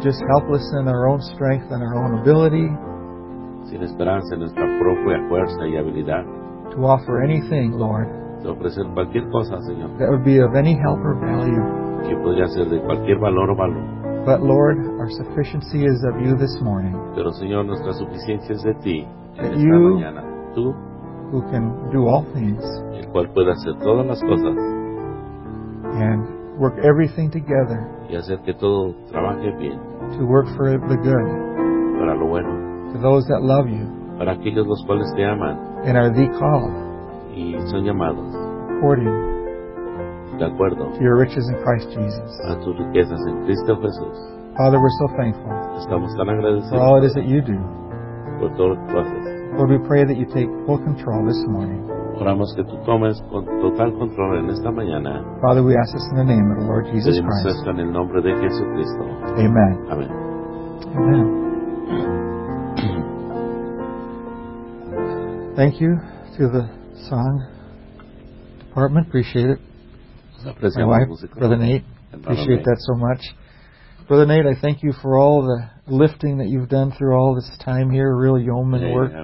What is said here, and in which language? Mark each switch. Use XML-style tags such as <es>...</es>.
<en>Just helpless in our own strength and our own ability.</en> <es>Sin esperanza en nuestra propia fuerza y habilidad.</es> <en>To offer anything, Lord.</en> <es>De ofrecer cualquier cosa, Señor.</es> <en>That would be of any help or value.</en> <es>Que podría ser de cualquier valor o valor.</es> <en>But Lord, our sufficiency is of You this morning.</en> <es>Pero Señor, nuestra suficiencia es de ti.</es> <en>That You,</en> <es>tú,</es> <en>who can do all things,</en> <es>el cual puede hacer todas las cosas,</es> <en>and work everything together,</en> <es>y hacer que todo trabaje bien,</es> <en>to work for the good,</en> <es>para lo bueno,</es> <en>to those that love You,</en> <es>para aquellos los cuales te aman,</es> <en>and are Thee called,</en> <es>y son llamados,</es> <en>according.</en> <es>De acuerdo.</es> <en>To Your riches in Christ Jesus.</en> <es>A tus riquezas en Cristo Jesús.</es> <en>Father, we're so thankful.</en> <es>Estamos tan agradecidos.</es> <en>For all it is that You do.</en> <es>Por todo lo que tú haces.</es> <en>Lord, we pray that You take full control this morning.</en> <es>Oramos que tú tomes total control en esta mañana.</es> <en>Father, we ask this in the name of the Lord Jesus Christ.</en> <es>Pedimos esto en el nombre de Jesucristo.</es> <en>Amen.</en> <es>Amen.</es> <en>Amen. Thank you to the song department. Appreciate it. My wife, Brother Nate, appreciate that so much. Brother Nate, I thank you for all the lifting that you've done through all this time here, real yeoman work.</en>